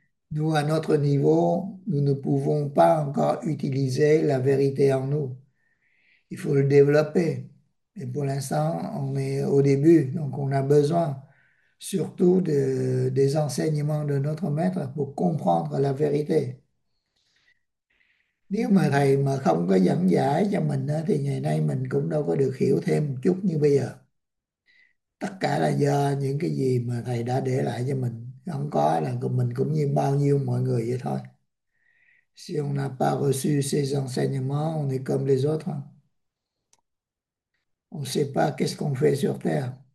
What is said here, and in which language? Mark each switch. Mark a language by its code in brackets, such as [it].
[fr] Nous, à notre niveau, nous ne pouvons pas encore utiliser la vérité en nous. Il faut le développer. Et pour l'instant, on est au début, donc on a besoin surtout des enseignements de notre maître pour comprendre la vérité. [vi] Nếu mà thầy mà không có dẫn giải cho mình thì ngày nay mình cũng đâu có được hiểu thêm một chút như bây giờ. Tất cả là do những cái gì mà thầy đã để lại cho mình. Không có là mình cũng như bao nhiêu mọi người vậy thôi. [fr] Si on n'a pas reçu ces enseignements, on est comme les autres. On ne sait pas qu'est-ce qu'on fait sur Terre.